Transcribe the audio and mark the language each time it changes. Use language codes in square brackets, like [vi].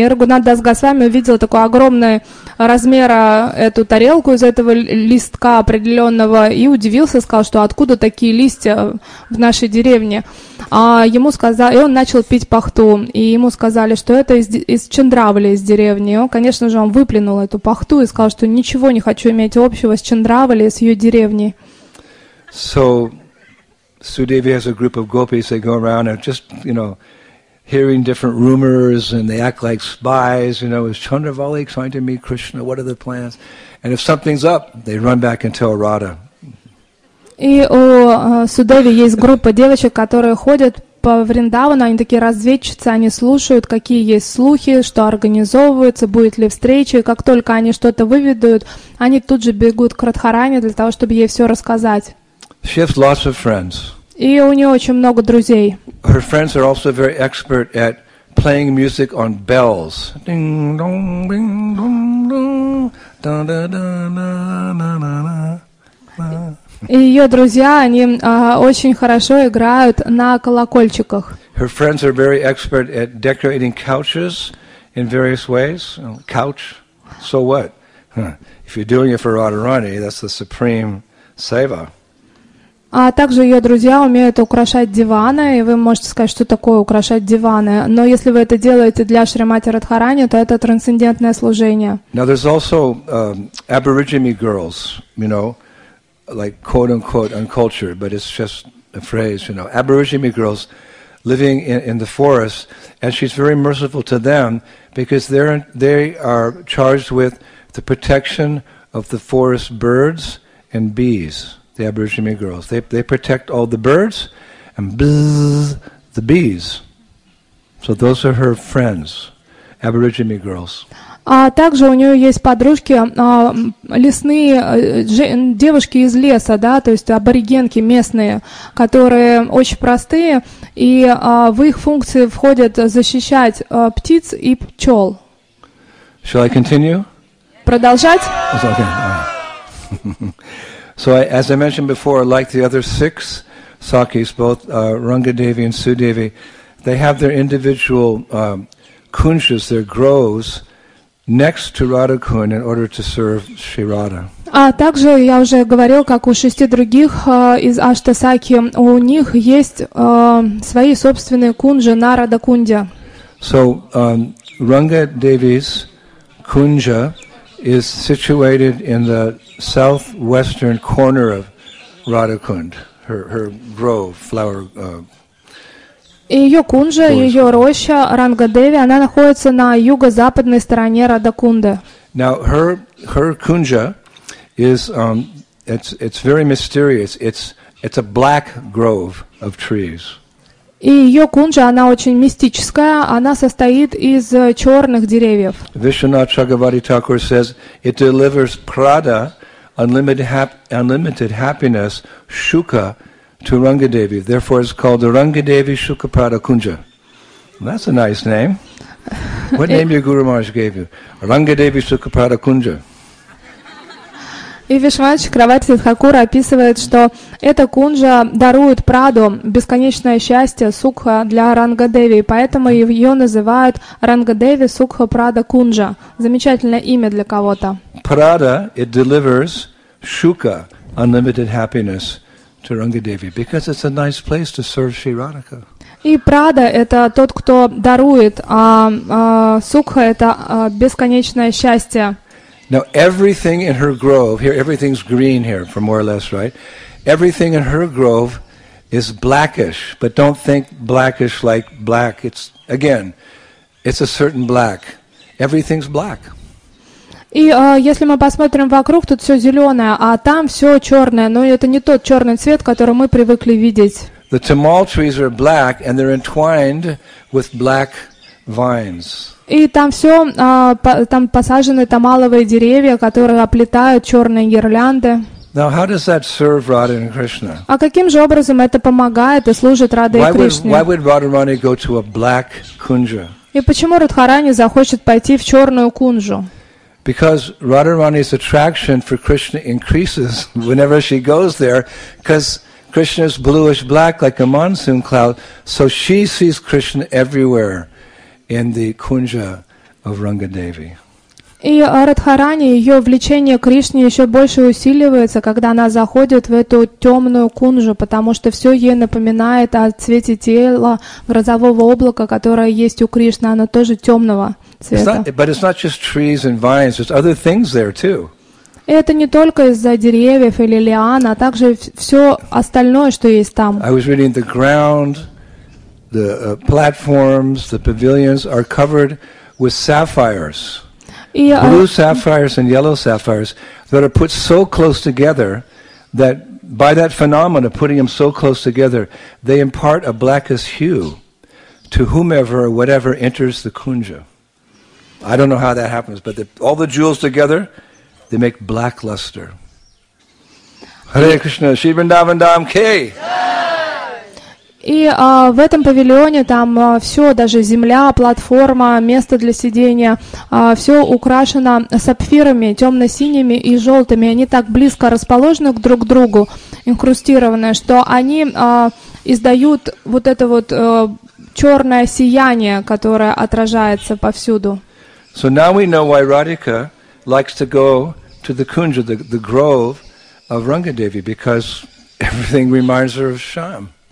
[ru] И Рагхунат Дас Госвами увидел такой огромный размера эту тарелку из этого листка определенного и удивился, сказал, что откуда такие листья в нашей деревне. И он начал пить пахту, и ему сказали, что это из Чандравали, из деревни. Он, конечно же, он выплюнул эту пахту и сказал, что ничего не хочу иметь общего с Чандравали, с ее деревней. [en] So, Sudevi has a group of gopis, they go around and just, you know, hearing different rumors, and they act like spies, you know, is Chandravali trying to meet Krishna, what are the plans? And if something's up, they run back and tell Radha. [ru] И у Судеви есть группа девочек, которые ходят по Вриндавану, они такие разведчицы, они слушают, какие есть слухи, что организовывается, будет ли встреча, и как только они что-то выведут, они тут же бегут к Радхарани для того, чтобы ей все рассказать. [en] She has lots of friends. [ru] И у нее очень много друзей. [en] Her friends are also very expert at playing music on bells. Ding dong, ding dong, dong, da da da da da da da. [ru] И ее друзья, они очень хорошо играют на колокольчиках. [en] Her friends are very expert at decorating couches in various ways. Couch, so what? If you're doing it for Radharani, that's the supreme seva. [ru] А также ее друзья умеют украшать диваны, и вы можете сказать, что такое украшать диваны. Но если вы это делаете для Шримати Радхарани, то это трансцендентное служение. [en] Now there's also aborigine girls, you know, like quote-unquote uncultured, but it's just a phrase, you know. Aborigine girls living in the forest, and she's very merciful to them because they are charged with the protection of the forest birds and bees, the aborigine girls. They protect all the birds and bzzz, the bees. So those are her friends, aborigine girls. [ru] А также у нее есть подружки, лесные девушки из леса, да, то есть аборигенки местные, которые очень простые, и в их функции входит защищать птиц и пчел. [en] Shall I continue? [ru] Продолжать? [en] It's okay. So, as I mentioned before, like the other six sakis, both Rangadevi and Sudevi, they have their individual kunjas, their groves, next to Radhakund in order to serve Shri Radha. [ru] А также я уже говорил, как у шести других из Аштасаки, у них есть свои собственные кунжи на Радхакунде. [en] So, Ranga Devi's kunja is situated in the southwestern corner of Radhakund, her grove, flower [ru] И ее кунжа, ее роща, Рангадеви, она находится на юго-западной стороне Радхакунды. [en] Now, her kunja is it's very mysterious. It's a black grove of trees. [ru] И ее кунжа, она очень мистическая, она состоит из черных деревьев. [en] Вишванат Чхагавати Такур says it delivers prada, unlimited happiness, shuka, to Rangadevi, therefore it's called the Rangadevi Shuka Prada Kunja. Well, that's a nice name. What name your Guru Maharaj gave you? Rangadevi Shuka Prada Kunja. [ru] И Вишванат Чхагавати Такур описывает, что эта кунжа дарует праду, бесконечное счастье, сукха для Рангадеви, поэтому ее называют Рангадеви Сукха Прада Кунджа. Замечательное имя для кого-то. [en] Prada, it delivers shuka, unlimited happiness, to Rangadevi because it's a nice place to serve Sri Radhika. [ru] И Прада – это тот, кто дарует, а Сукха – это бесконечное счастье. [en] Now everything in her grove here, everything's green here, for more or less, right? Everything in her grove is blackish, but don't think blackish like black. It's again, it's a certain black. Everything's black. [ru] И если мы посмотрим вокруг, тут все зеленое, а там все черное, но это не тот черный цвет, который мы привыкли видеть. [en] The tamal trees are black and they're entwined with black vines. [ru] И там все, там посажены тамаловые деревья, которые оплетают черные гирлянды. [en] Now, how does that serve Radha and Krishna? [ru] А каким же образом это помогает и служит Раде и Кришне? [en] Why would Radharani go to a black kunja? [ru] И почему Радхарани захочет пойти в черную кунжу? [en] Because Radharani's attraction for Krishna increases whenever she goes there, because Krishna is bluish black like a monsoon cloud, so she sees Krishna everywhere in the kunja of Rangadevi. [ru] И Радхарани, ее влечение к Кришне еще больше усиливается, когда она заходит в эту темную кунжу, потому что все ей напоминает о цвете тела грозового облака, которое есть у Кришны, оно тоже темного цвета. [en] But it's not just trees and vines, there's other things there too. [ru] И это не только из-за деревьев или лиан, а также все остальное, что есть там. [en] I was reading the ground, the platforms, the pavilions are covered with sapphires. Blue sapphires and yellow sapphires that are put so close together that by that phenomenon of putting them so close together, they impart a blackest hue to whomever or whatever enters the kunja. I don't know how that happens, but all the jewels together, they make black luster. [hi] Hare Krishna, Shri Vrindavan Dham Ki. [ru] И в этом павильоне там все, даже земля, платформа, место для сидения, все украшено сапфирами, темно-синими и желтыми. Они так близко расположены друг к другу, инкрустированы, что они издают вот это вот черное сияние, которое отражается повсюду. [en] So now we know why Radhika likes to go to the kunja, the grove of Rangadevi, because everything reminds her of Shyam.